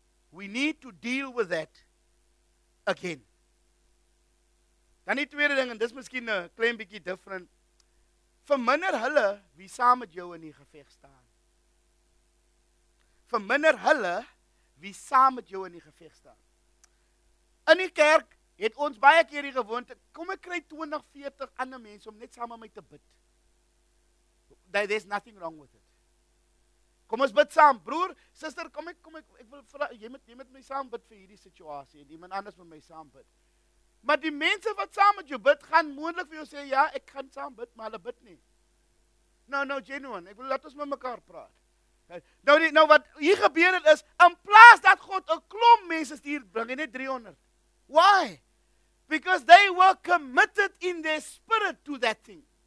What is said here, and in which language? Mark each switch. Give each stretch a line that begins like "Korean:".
English: We need to deal with that again.
Afrikaans: Dan die tweede ding, en dis miskien 'n klein bietjie different. Verminder hulle wie saam met jou in die geveg staan. Verminder hulle wie saam met jou in die geveg staan. In die kerk het ons baie keer die gewoonte, kom ek kry 20, 40 ander mense om net saam met my te bid.
English: There's nothing wrong with it.
Afrikaans: Kom ons bid saam, broer, sister, kom ek wil vra, jy moet my saam bid vir hierdie situasie, en iemand anders moet my saam bid. Maar die mense wat saam met jou bid, gaan moontlik vir jou sê, ja, ek gaan saam bid, maar hulle bid nie. Nou, genuine, ek wil laat ons met mekaar praat. Nou, wat hier gebeur het is, in plaas dat God 'n klomp mense stuur, bring jy net 300.
English: Why? Because they were committed in their spirit to that thing.